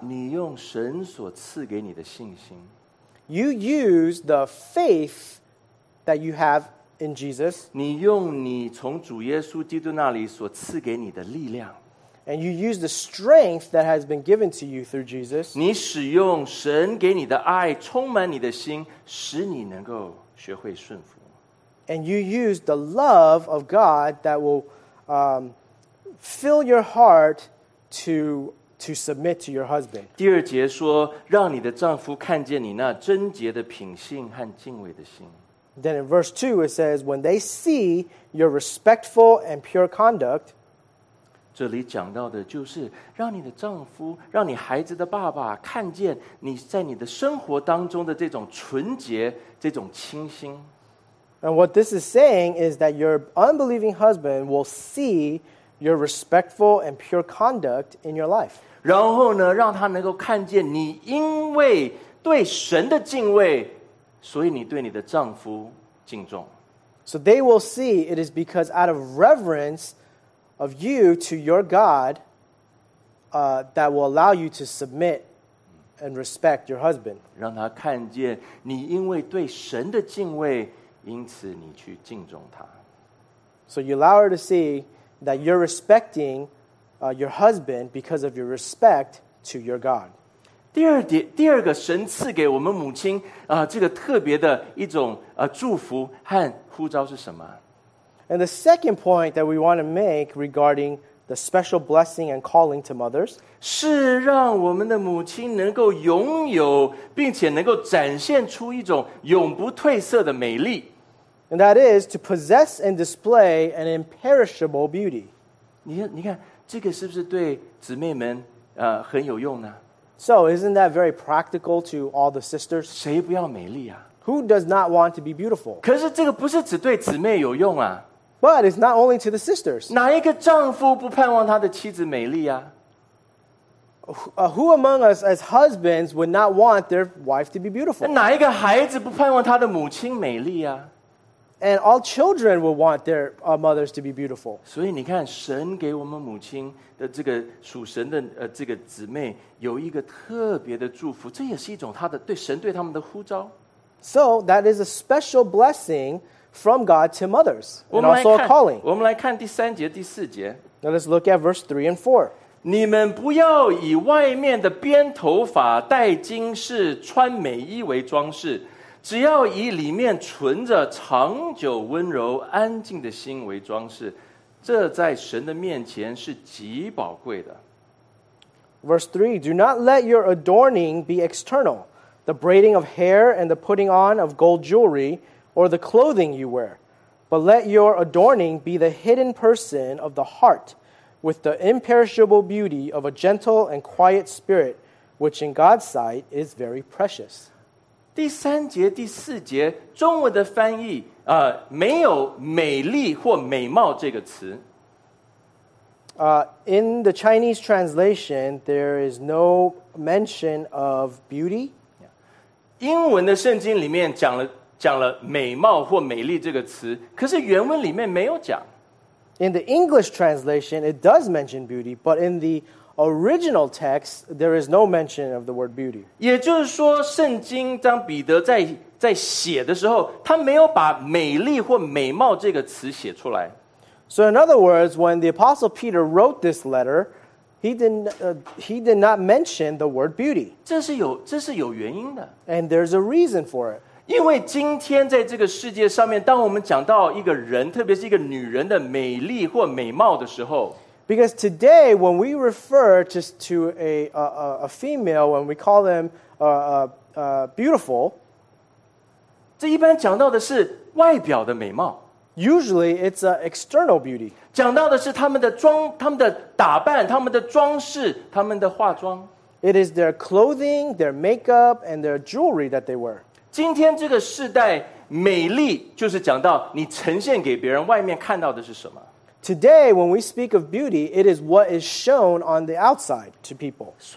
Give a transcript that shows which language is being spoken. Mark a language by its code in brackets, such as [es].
[zh] 你用神所赐给你的信心。 [en] You use the faith that you have in Jesus. [zh] 你用你从主耶稣基督那里所赐给你的力量。 [en] And you use the strength that has been given to you through Jesus. [zh] 你使用神给你的爱充满你的心，使你能够学会顺服。 [en] And you use the love of God that will fill your heart to submit to your husband. [zh] 第二节说，让你的丈夫看见你那贞洁的品性和敬畏的心。 [en] Then in verse 2 it says, when they see your respectful and pure conduct, [zh] 这里讲到的就是让你的丈夫，让你孩子的爸爸看见你在你的生活当中的这种纯洁，这种清新。 [en] And what this is saying is that your unbelieving husband will see your respectful and pure conduct in your life. [zh] 然后呢，让他能够看见你因为对神的敬畏，所以你对你的丈夫敬重。 [en] So they will see it is because out of reverence,of you to your God, that will allow you to submit and respect your husband. [zh] 让他看见你因为对神的敬畏，因此你去敬重他。 [en] So you allow her to see that you're respecting your husband because of your respect to your God. [zh] 第二个神赐给我们母亲这个特别的一种祝福和呼召是什么？ [en] And the second point that we want to make regarding the special blessing and calling to mothers [zh] 是让我们的母亲能够拥有并且能够展现出一种永不褪色的美丽。 [en] And that is to possess and display an imperishable beauty. [zh] 你看这个是不是对姊妹们很有用呢？ [en] So isn't that very practical to all the sisters? [zh] 谁不要美丽啊？ [en] Who does not want to be beautiful? [zh] 可是这个不是只对姊妹有用啊。 [en] But it's not only to the sisters. [zh] 哪一个丈夫不盼望他的妻子美丽啊？ [en] Who among us as husbands would not want their wife to be beautiful? [zh] 哪一个孩子不盼望他的母亲美丽啊？ [en] And all children would want their mothers to be beautiful. [zh] 所以你看，神给我们母亲的这个属神的这个姊妹有一个特别的祝福，这也是一种他的对神对他们的呼召。 [en] So that is a special blessing. From God to mothers, and also a calling. [zh] 我们来看第三节、第四节。 [en] Now let's look at verse 3 and 4. [zh] 你们不要以外面的编头发、戴金饰、穿美衣为装饰，只要以里面存着长久温柔、安静的心为装饰，这在神的面前是极宝贵的。 [en] Verse 3, do not let your adorning be external, the braiding of hair and the putting on of gold jewelry,or the clothing you wear. But let your adorning be the hidden person of the heart, with the imperishable beauty of a gentle and quiet spirit, which in God's sight is very precious. [zh] 第三节、第四节，中文的翻译，没有美丽或美貌这个词。 [en] In the Chinese translation, there is no mention of beauty. [zh] 英文的圣经里面讲了美貌或美丽这个词, 可是原文里面没有讲。 [en] In the English translation, it does mention beauty, but in the original text, there is no mention of the word beauty. [zh] 也就是说,圣经当彼得在写的时候, 他没有把美丽或美貌这个词写出来。 [en] So in other words, when the Apostle Peter wrote this letter, he did not mention the word beauty. [zh] 这是有原因的。 [en] And there's a reason for it. [zh] 因为今天在这个世界上面, 当我们讲到一个人, 特别是一个女人的美丽或美貌的时候, [en] Because today, when we refer just to a female, when we call them beautiful, [zh] 这一般讲到的是外表的美貌。 [en] Usually, it's an external beauty. [zh] 讲到的是他们的装,他们的打扮,他们的装饰,他们的化妆。 [en] It is their clothing, their makeup, and their jewelry that they wear. [zh] 今天这个世代,美丽就是讲到你呈现给别人外面看到的是什么。 [en] Today, when we speak of beauty, it is what is shown on the outside to people.